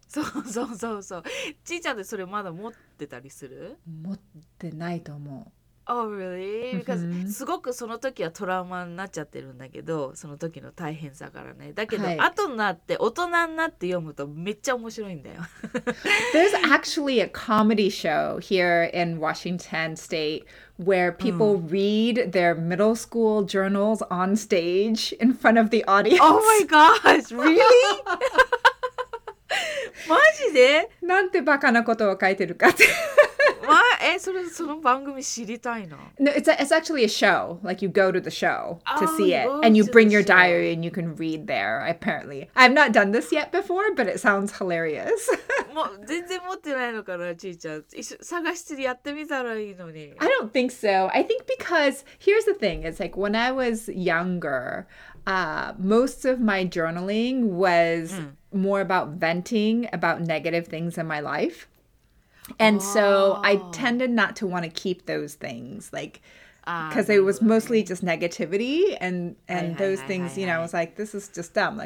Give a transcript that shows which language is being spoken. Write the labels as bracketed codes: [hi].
[ja] そうそうそうそう。ちいちゃんでそれまだ持ってたりする？持ってないと思う。 [en] Oh, really? [ja] Because すごくその時はトラウマになっちゃってるんだけど、その時の大変さからね。だけど、はい、後になって大人になって読むとめっちゃ面白いんだよ。 [en] There's actually a comedy show here in Washington State where people read their middle school journals on stage in front of the audience. Oh my gosh! Really? [ja] マジで？なんてバカなことを書いてるかって。まあ、え、それその番組知りたいの？ [en] No, it's actually a show. Like you go to the show to see it, and you bring your diary and you can read there. Apparently, I've not done this yet before, but it sounds hilarious. [ja] もう全然持ってないのかな、ちいちゃん。一緒探してやってみたらいいのに。 [en] I don't think so. I think because here's the thing. It's like when I was younger, most of my journaling was more about venting about negative things in my life. And so I tended not to want to keep those things, like, because it was mostly just negativity and those things, you know, I was like, this is just dumb.